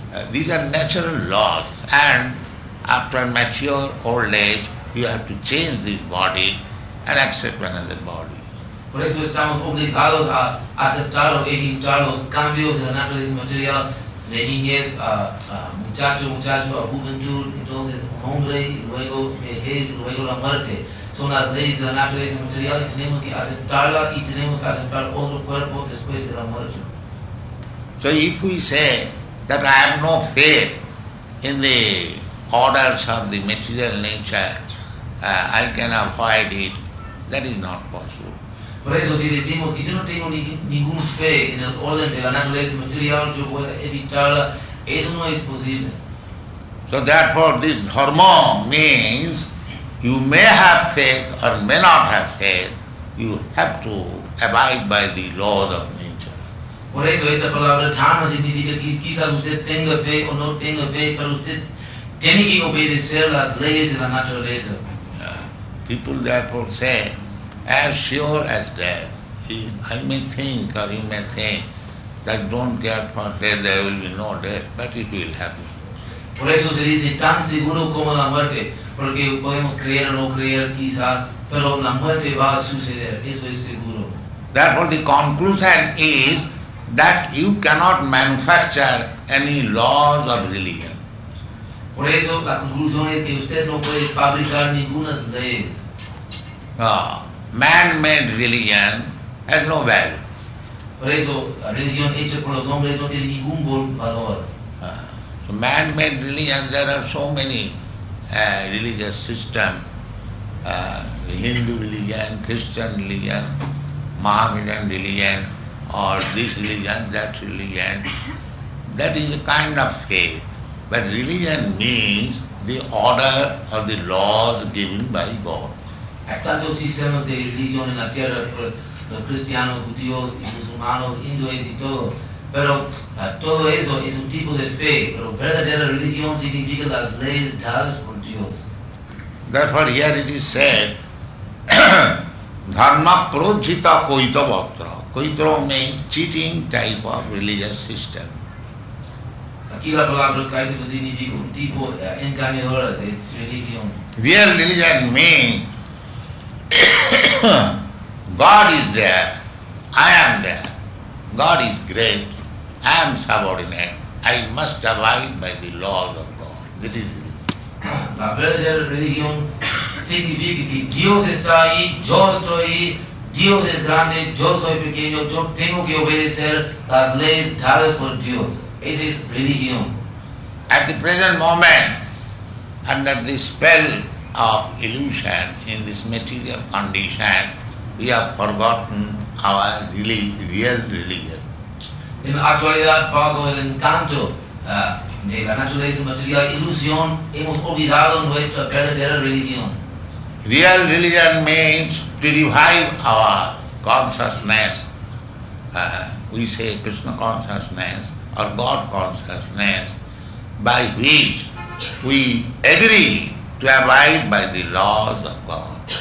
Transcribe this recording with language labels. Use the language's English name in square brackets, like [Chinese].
[English] These are natural laws, and after mature old age, you have to change this body and accept another body. [Spanish] Por eso estamos obligados a aceptar o evitar los cambios de la naturaleza material de niñez a muchacho, a juventud, entonces hombre, luego vejez, luego la muerte. Son las leyes de la naturaleza material y tenemos que aceptarla y tenemos que aceptar otro cuerpo después de la muerte. [English] So if we say that I have no faith in the orders of the material nature, I can avoid it, that is not possible. [Spanish] Por eso si decimos que yo no tengo ningún fe en el orden de la naturaleza material, yo voy a evitarla, eso no es posible. [English] So therefore this dharma means you may have faith or may not have faith, you have to abide by the laws of nature. [Spanish] Por eso esa palabra dharma significa que quizás usted tenga fe o no tenga fe, pero usted tiene que obedecer las leyes de la naturaleza. [English] People therefore say, as sure as death, I may think or you may think that don't care for death, there will be no death, but it will happen. [Spanish] Por eso se dice tan seguro como la muerte, porque podemos creer o no creer quizás, pero la muerte va a suceder, eso es seguro. [English] Therefore the conclusion is that you cannot manufacture any laws of religion. [Spanish] Por eso la conclusión es que usted no puede fabricar ninguna ley. [English] Man-made religion has no value. [Spanish] Por eso la religión hecha por los hombres no tiene ningún valor. [English] So man-made religion, there are so many religious systems, Hindu religion, Christian religion, Mohammedan religion, or this religion, that religion. That is a kind of faith. But religion means the order or the laws given by God. [Spanish] Hay tantos sistemas de religión en la tierra, los cristianos, judíos, musulmanos, hindúes y todo. Pero todo eso es un tipo de fe, pero verdadera religión significa las leyes dadas por Dios. [English] Therefore here it is said, [Sanskrit] dharma prochita koita vaktra. [English] Koitra means cheating type of religious system. [Spanish] Aquí la palabra kaita significa un tipo engañador de religión. [English] Real religion means God is there, I am there. God is great, I am subordinate. I must abide by the laws of God. This is it. [Spanish] La verdadera religión significa que Dios está ahí, yo estoy ahí, Dios es grande, yo soy pequeño, yo tengo que obedecer las leyes dadas por Dios. Esa es religión. [English] At the present moment, under the spell of illusion in this material condition, we have forgotten our real religion. [Spanish] En la actualidad, bajo el encanto de la naturaleza material ilusión, hemos olvidado nuestra verdadera religión. [English] Real religion means to revive our consciousness. We say Krishna consciousness or God consciousness, by which we agree to abide by the laws of God.